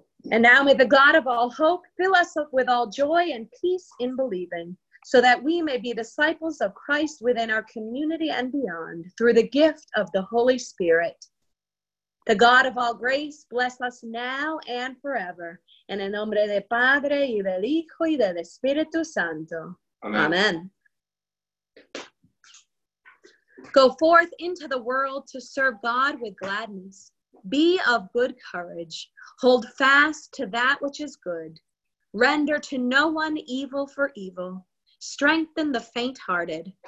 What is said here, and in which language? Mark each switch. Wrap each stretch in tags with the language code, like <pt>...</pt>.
<en>And now may the God of all hope fill us up with all joy and peace in believing, so that we may be disciples of Christ within our community and beyond through the gift of the Holy Spirit. The God of all grace bless us now and forever.</en> <es>En el nombre del Padre, y del Hijo, y del Espíritu Santo. Amen. Amen.</es> <en>Go forth into the world to serve God with gladness. Be of good courage. Hold fast to that which is good. Render to no one evil for evil. Strengthen the faint-hearted.</en>